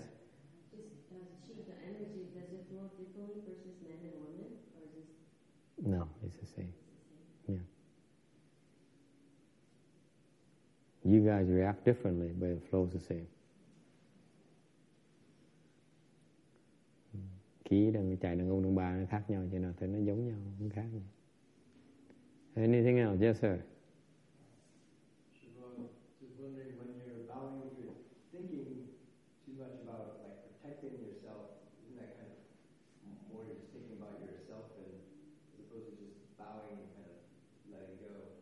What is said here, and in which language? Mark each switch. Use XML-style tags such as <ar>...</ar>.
<en>Does chi, the energy, does it flow differently versus men and women, or is it? No, it's the same. Yeah. You guys react differently, but it flows the same.</en> <vi>Khí đang chạy đường ông đường bà nó khác nhau, cho nên thấy nó giống nhau, không khác nhau.</vi> <en>Anything else? Yes, sir. Shiva, just wondering, when you're bowing, if you're thinking too much about like protecting yourself, isn't that kind of more just thinking about yourself than as opposed to just bowing and kind of letting go?</en>